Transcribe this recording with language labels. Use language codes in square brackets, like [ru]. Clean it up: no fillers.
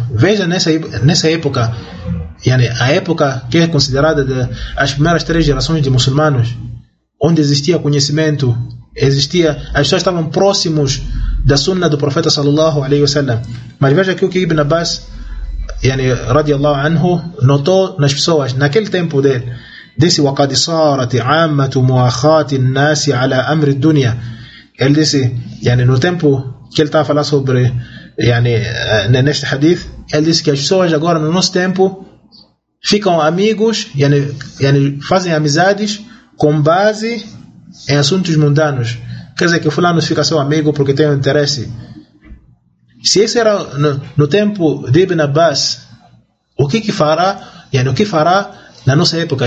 [pt] Veja nessa época, yani, a época que é considerada as primeiras três gerações de muçulmanos, onde existia conhecimento, existia, as pessoas estavam próximos da sunna do profeta sallallahu alaihi wasallam. Mas veja aqui o que Ibn Abbas, yani, radiallahu anhu, notou nas pessoas naquele tempo dele. [ar] Disse: وقد صارت عامة مؤاخات الناس على أمر الدنيا. [pt] Ele disse, yani, no tempo que ele estava a falar sobre, yani, neste hadith, ele disse que as pessoas agora no nosso tempo ficam amigos, yani, fazem amizades com base em assuntos mundanos. Quer dizer que fulano fica seu amigo porque tem um interesse. Se isso era no tempo de Ibn Abbas, o que fará, yani, o que fará na nossa época?